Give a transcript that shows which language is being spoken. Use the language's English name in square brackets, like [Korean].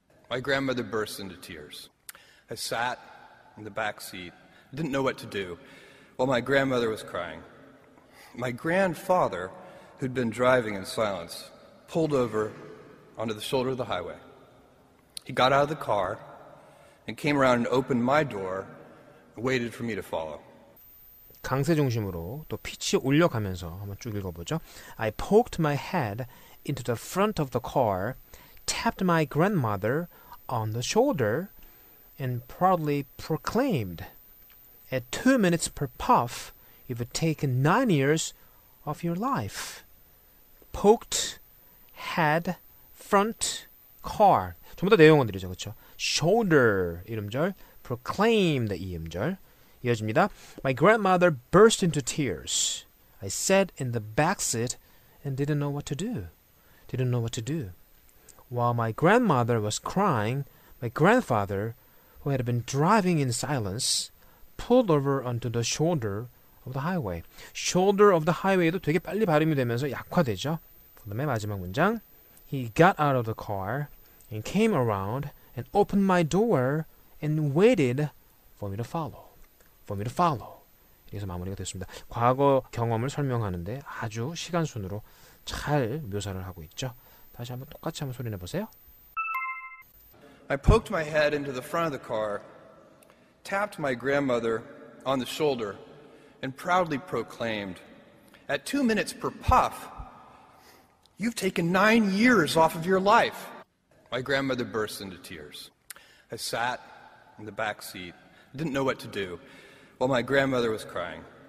[English] My grandmother burst into tears. I sat in the back seat, didn't know what to do, while my grandmother was crying. My grandfather, who'd been driving in silence, pulled over onto the shoulder of the highway. He got out of the car and came around and opened my door and waited for me to follow. [Korean] 강세 중심으로 또 피치 올려가면서 한번 쭉 읽어보죠. [English] I poked my head into the front of the car, tapped my grandmother on the shoulder, and proudly proclaimed. at 2 minutes per puff, it would take 9 years of your life. Poked, head, front, car. [Korean] 전부 다 내용어들이죠, 그렇죠? Shoulder, 이음절. Proclaimed, 이음절. 이어집니다. [English] My grandmother burst into tears. I sat in the back seat and didn't know what to do. Didn't know what to do. While my grandmother was crying, my grandfather, who had been driving in silence, pulled over onto the shoulder of the highway. Shoulder of the highway [Korean] 도 되게 빨리 발음이 되면서 약화되죠. 그 다음에 마지막 문장. [English] He got out of the car and came around and opened my door and waited for me to follow. For me to follow. [Korean] 이래서 마무리가 됐습니다. 과거 경험을 설명하는데 아주 시간 순으로 잘 묘사를 하고 있죠. 다시 한번 똑같이 한번 소리 내보세요. [English] I poked my head into the front of the car, tapped my grandmother on the shoulder, and proudly proclaimed, At 2 minutes per puff, you've taken 9 years off of your life. My grandmother burst into tears. I sat in the back seat, didn't know what to do, while my grandmother was crying.